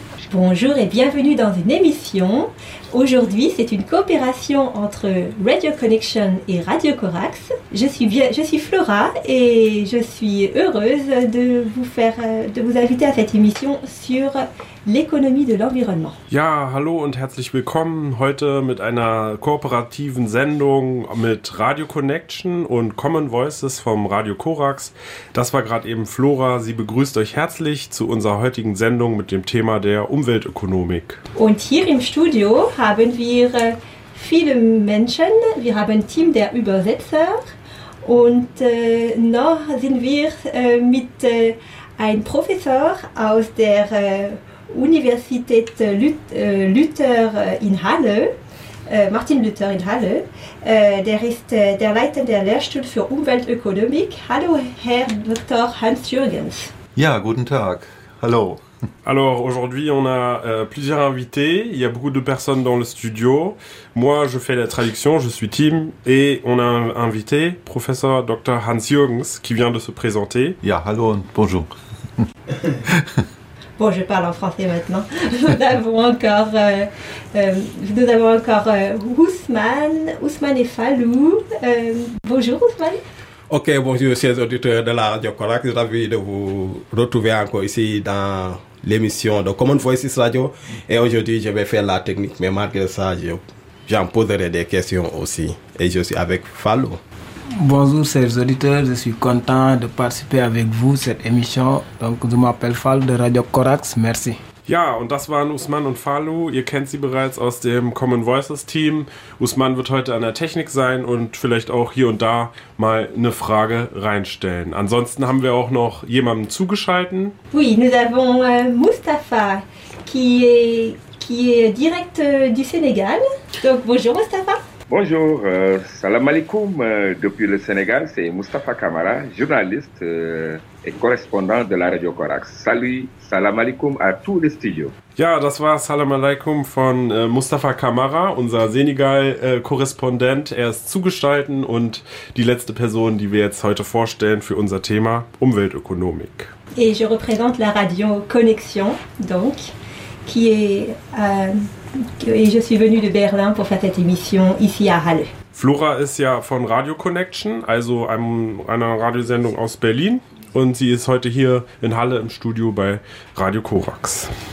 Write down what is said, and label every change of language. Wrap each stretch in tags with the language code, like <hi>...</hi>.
<fr>Bonjour et bienvenue dans une émission. Aujourd'hui, c'est une coopération entre Radio Connection et Radio Corax. Je suis Flora et je suis heureuse de vous inviter à cette émission sur l'économie de l'environnement.</fr> <de>Ja, hallo und herzlich willkommen heute mit einer kooperativen Sendung mit Radio Connection und Common Voices vom Radio Corax. Das war gerade eben Flora. Sie begrüßt euch herzlich zu unserer heutigen Sendung mit dem Thema der Umweltökonomik. Und hier im Studio haben wir viele Menschen. Wir haben ein Team der Übersetzer und noch sind wir mit einem Professor aus der Universität Luther in Halle, Martin Luther in Halle, der ist der Leiter der Lehrstuhl für Umweltökonomik. Hallo Herr Dr. Hans Jürgens. Ja, guten Tag. Hallo.</de> <fr>Alors aujourd'hui on a plusieurs invités, il y a beaucoup de personnes dans le studio. Moi je fais la traduction, je suis Tim et on a invité professeur Dr. Hans Jürgens qui vient de se présenter.</fr> <de>Ja, hallo und</de> <fr>bonjour. Bon, je parle en français maintenant. Nous avons encore Ousmane et Fallou. Bonjour Ousmane. Ok, bonjour chers auditeurs de la Radio Corax, ravi de vous retrouver encore ici dans l'émission de Common Voices Radio. Et aujourd'hui, je vais faire la technique, mais malgré ça, j'en poserai des questions aussi. Et je suis avec Fallou. Bonjour chers auditeurs, je suis content de participer avec vous à cette émission. Donc, je m'appelle Fallou de Radio Corax, merci.</fr> <de>Ja, und das waren Ousmane und Fallou. Ihr kennt sie bereits aus dem Common Voices Team. Ousmane wird heute an der Technik sein und vielleicht auch hier und da mal eine Frage reinstellen. Ansonsten haben wir auch noch jemanden zugeschalten.</de> <fr>Oui, nous avons Mustapha qui est direct du Sénégal. Donc bonjour Mustapha. Bonjour,</fr> <ar>salam alaikum</ar> <fr>depuis le Sénégal, c'est Mustapha Camara, journaliste et correspondant de la Radio Corax. Salut,</fr> <ar>salam alaikum</ar> <fr>à tous les studios.</fr> <de>Ja, das war</de> <ar>Salam alaikum</ar> <de>von Mustapha Camara, unser Senegal-Korrespondent. Er ist zugeschaltet und die letzte Person, die wir jetzt heute vorstellen für unser Thema Umweltökonomik.</de> <fr>Et je représente la Radio Connexion, donc, qui est... Et je suis venue de Berlin pour faire cette émission ici à Halle.</fr> <de>Flora ist ja von Radio Connection, also einer Radiosendung aus Berlin. Und sie ist heute hier in Halle im Studio bei Radio Corax.</de>